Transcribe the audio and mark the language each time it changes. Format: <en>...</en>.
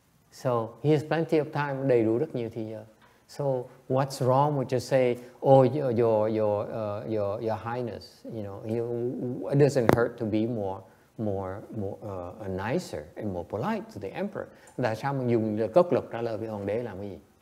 <en>So, he has plenty of time,</en> <vi>đầy đủ rất nhiều thời giờ.</vi> <en>So, what's wrong with just say, oh, your highness, you know, it doesn't hurt to be more nicer and more polite to the emperor.</en> <vi>Tại sao mình dùng cốc lực trả lời với hoàng đế làm cái gì?</vi>